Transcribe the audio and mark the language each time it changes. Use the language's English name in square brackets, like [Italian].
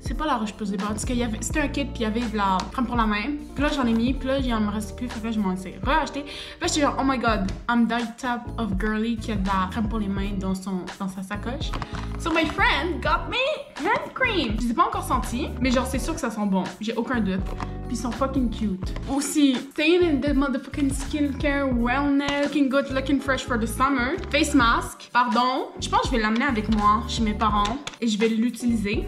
[French] C'est pas La Roche-Posay, parce que c'était un kit, puis il y avait de la crème pour la main. Puis là, j'en ai mis, puis là, il en me reste plus. Fait que là, je m'en ai re-acheté. Puis là, j'étais genre, [English] oh my god, I'm that type of girly [French] qui a de la crème pour les mains dans sa sacoche. [English] So my friend got me hand cream. [French] Je l'ai pas encore senti, mais genre, c'est sûr que ça sent bon. J'ai aucun doute. Puis ils sont fucking cute. [English] Aussi, staying in the motherfucking skincare, wellness, looking good, looking fresh for the summer. Face mask, pardon. [French] Je pense que je vais l'amener avec moi chez mes parents et je vais l'utiliser.